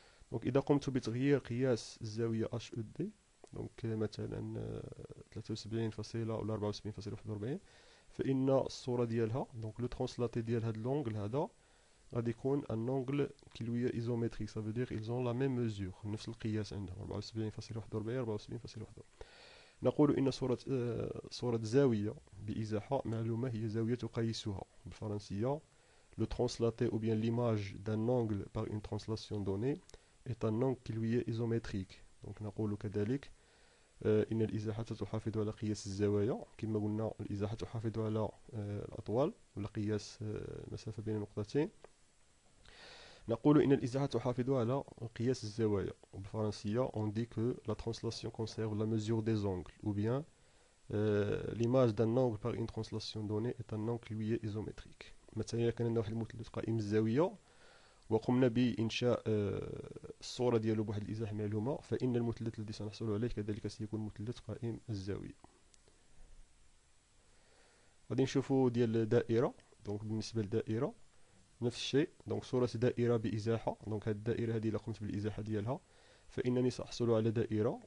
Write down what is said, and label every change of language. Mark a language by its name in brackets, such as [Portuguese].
[Arabic] دونك إذا قمت بتغيير قياس الزاوية اش او دي، دونك مثلا 73 ولا 74.41، فإن الصورة ديالها دونك لو ترونسلاتي ديال هاد لونغل هذا غادي يكون ان اونغل كي لوي ايزومتريك. سا فيدير ايلزون لا ميم ميزور، نفس القياس عندهم 74.41 74.41. نقول إن صورة زاوية بإزاحة معلومة هي زاوية تقيسها بالفرنسية [French] le translaté ou bien l'image d'un angle par une translation donnée est un angle qui lui est isométrique. [Arabic] Donc نقول كذلك إن الإزاحة تحافظ على قياس الزوايا كما قلنا الإزاحة تحافظ على الأطوال ولا قياس المسافة بين النقطتين. نقول إن الإزاحة تحافظ على قياس الزوايا وبالفرنسية [French] on dit que la translation conserve la mesure des angles ou bien l'image d'un angle par une translation donnée est un angle lui est isométrique. [Arabic] مثلا إذا كان عندنا واحد المثلث قائم الزاوية وقمنا بإنشاء الصورة ديالو بواحد الإزاحة معلومة فإن المثلث الذي سنحصل عليه كذلك سيكون مثلث قائم الزاوية. غادي نشوفو ديال الدائرة. دونك بالنسبة للدائرة نفس الشيء، دونك صورة دائرة بإزاحة، دونك هذه الدائرة هذه إذا قمت بالإزاحة ديالها فإنني سأحصل على دائرة.